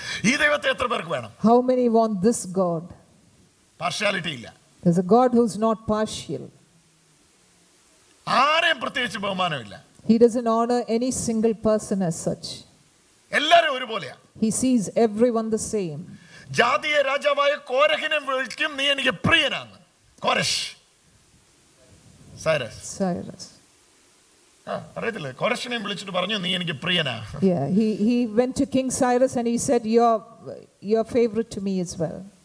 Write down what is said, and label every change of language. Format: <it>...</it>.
<ml>ഈ ദൈവത്തെ എത്ര പേർക്ക് വേണം?</ml> <en>How many want this God?</en> <ml>Partiality ഇല്ല.</ml> <en>There's a God who's not partial.</en> <ml>ആരെയും പ്രത്യേകിച്ച് ബഹുമാനമില്ല.</ml> <en>He doesn't honor any single person as such.</en> <ml>എല്ലാവരും ഒരുപോലെയാ.</ml> <en>He sees everyone the same.</en> <ml>ജാതിയെ രാജാവായ കോരഹിനെ വിളിക്കും, നീ എനിക്ക് പ്രിയനാണ്. കോരഷ്, സൈറസ്, സൈറസ്. ആ അറിയത്തില്ല, കോരഷിനെ വിളിച്ചിട്ട് പറഞ്ഞു, നീ എനിക്ക് പ്രിയനാ.</ml> <en>Yeah, he went to King Cyrus and he said, you're favorite to me as well.</en>